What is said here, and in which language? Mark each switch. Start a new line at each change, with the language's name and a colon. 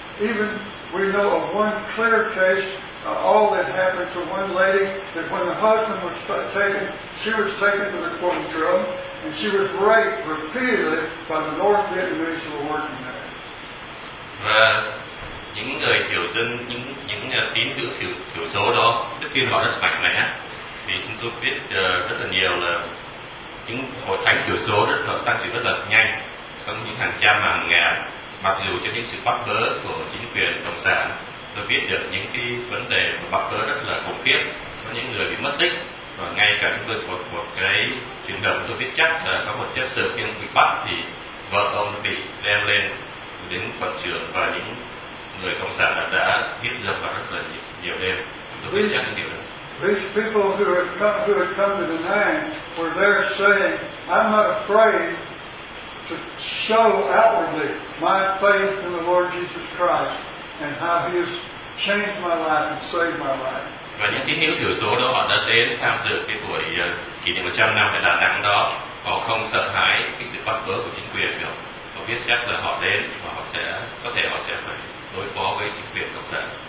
English: Even we know of one clear case, all that happened to one lady, that when the husband was taken, she was taken to the court room, and she was raped repeatedly by the North Vietnamese who were working there.
Vietnamese: Và những người thiểu dân, những tín hữu thiểu số đó, đức tin họ rất mạnh mẽ. Thì chúng tôi biết rất là nhiều là những hội thánh thiểu số rất là tăng trưởng rất là nhanh, có những hàng trăm hàng ngàn. Mặc dù cho những sự bắt bớ của chính quyền cộng sản, tôi biết được những cái vấn đề mà bắt bớ rất là khủng khiếp, có những người bị mất tích, và ngay cả những người một cái chuyển động, tôi biết chắc là có một chấp sự khi bị bắt thì vợ ông bị đem lên đến quận trường, và những người cộng sản đã hiếp dâm và rất là nhiều đêm. Tôi biết chắc những điều đó.
English: These people who had come to the Nang were there saying, I'm not afraid to show outwardly my faith in the Lord Jesus Christ and how He has changed my life and saved my life.
Vietnamese: Và những tín hữu thiểu số đó, họ đã đến tham dự cái buổi kỷ niệm 100 năm tại Đà Nẵng đó. Họ không sợ hãi cái sự bắt bớ của chính quyền được. Họ biết chắc là họ đến và họ sẽ phải đối phó với chính quyền cộng sản.